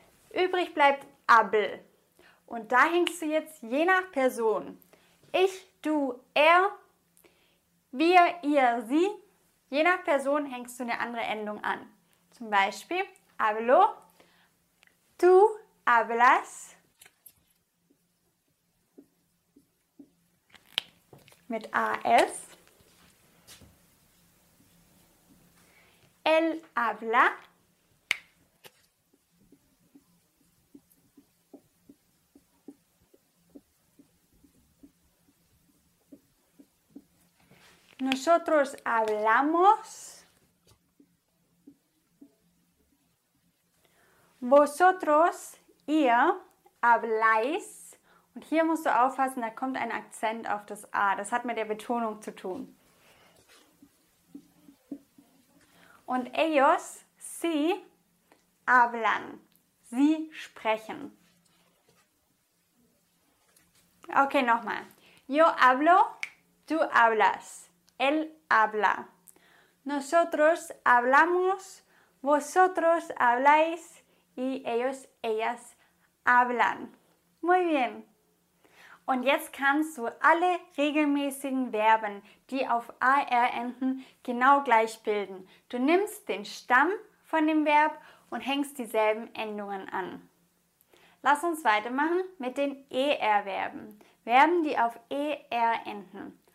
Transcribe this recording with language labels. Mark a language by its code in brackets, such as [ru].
[de] Übrig bleibt Abel. Und da hängst du jetzt je nach Person. Ich, du, er, wir, ihr, sie. Je nach Person hängst du eine andere Endung an. Zum Beispiel [es] hablo, tú hablas. [de] Mit AS. [es] Él habla. Nosotros hablamos, vosotros, [de] ihr, [es] habláis. [de] Und hier musst du aufpassen, da kommt ein Akzent auf das A. Das hat mit der Betonung zu tun. Und [es] ellos, [de] sie, [es] hablan. [de] Sie sprechen. Okay, nochmal. [es] Yo hablo, tú hablas. Él habla. Nosotros hablamos, vosotros habláis y ellos, ellas hablan. Muy bien. [de] Und jetzt kannst du alle regelmäßigen Verben, die auf AR enden, genau gleich bilden. Du nimmst den Stamm von dem Verb und hängst dieselben Endungen an. Lass uns weitermachen mit den ER-Verben. Verben, die auf ER enden.